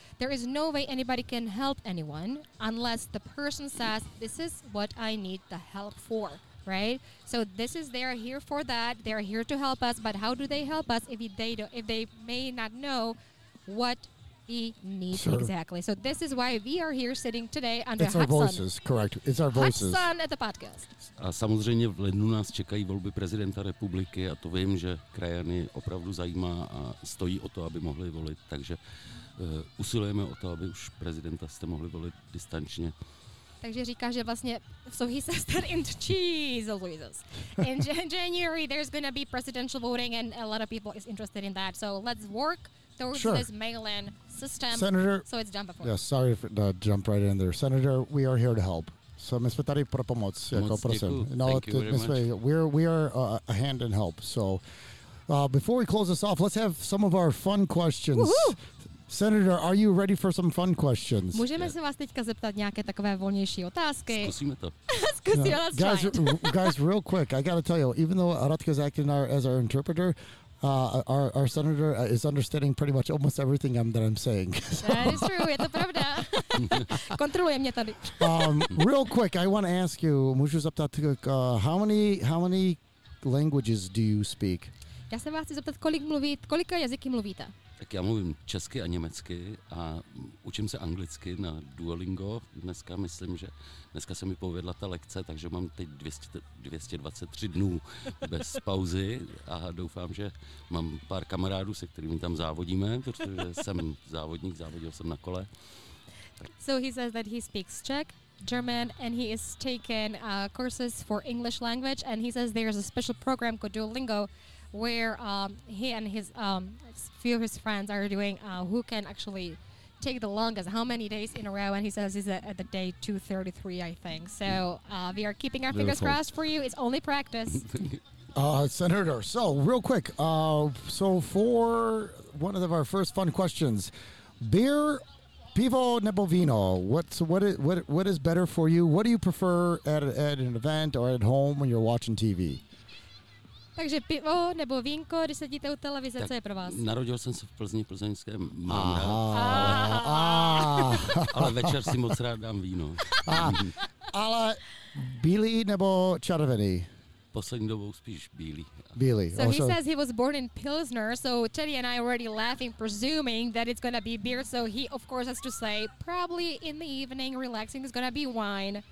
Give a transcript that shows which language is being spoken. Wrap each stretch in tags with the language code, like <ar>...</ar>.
<en>There is no way anybody can help anyone unless the person says, this is what I need the help for, right? So this is, they are here for that, they are here to help us, but how do they help us if they may not know what we need, sure. Exactly. So this is why we are here sitting today under Hudson. It's our voices, correct. It's our voices. Hudson at the podcast.</en> <cs>A samozřejmě v lednu nás čekají volby prezidenta republiky a to vím, že krajany opravdu zajímá a stojí o to, aby mohli volit. Takže usilujeme o to, aby už prezidenta jste mohli volit distančně. Takže říká, že vlastně,</cs> <en>so he says that in cheese, Louises. In January there's going to be presidential voting and a lot of people is interested in that. So let's work towards, sure, this mail-in system. Senator, so it's done before. Yeah, sorry if it jumped right in there. Senator, we are here to help. So</en> <cs>my jsme tady pro pomoc, jako prosím.</cs> <en>No, we are a hand in help. So before we close this off, let's have some of our fun questions. Woo-hoo! Senator, are you ready for some fun questions?</en> <cs>Můžeme se vás teďka zeptat nějaké takové volnější otázky? Zkusíme to. Zkusíme,</cs> <en>let's try. Guys, real quick, I got to tell you, even though Aratka's acting as our interpreter, our senator is understanding pretty much almost everything that I'm saying. That is true,</en> <cs>je to pravda. Kontroluje mě tady.</cs> <en>Real quick, I want to ask you,</en> <cs>můžu zeptat,</cs> <en>how many languages do you speak?</en> <cs>Já se vás chci zeptat, kolika jazyky mluvíte? Tak já mluvím česky a německy a učím se anglicky na Duolingo. Dneska myslím, že dneska se mi povedla ta lekce, takže mám teď 223 dnů bez pauzy a doufám, že mám pár kamarádů, se kterými tam závodíme, protože jsem závodník, závodil jsem na kole.</cs> <en>So he says that he speaks Czech, German, and he is taking courses for English language, and he says there is a special program called Duolingo where he and his few of his friends are doing who can actually take the longest, how many days in a row, and he says he's at the day 233, I think. So we are keeping our fingers crossed for you. It's only practice. Senator, so real quick, so for one of our first fun questions, beer,</en> <cs>pivo nebo vino,</cs> <en>what is better for you? What do you prefer at an event or at home when you're watching TV?</en> <cs>Takže pivo nebo vínko, když sedíte u televize, tak co je pro vás? Narodil jsem se v Plzni, plzeňském mám. Ale večer si moc rád dám víno. Ale bílý nebo červený? Poslední dobou spíš bílý. Bílý.</cs> <en>So he says he was born in Pilsner, so Teddy and I already laughing, presuming that it's going to be beer, so he of course has to say, probably in the evening, relaxing, it's going to be wine,</en>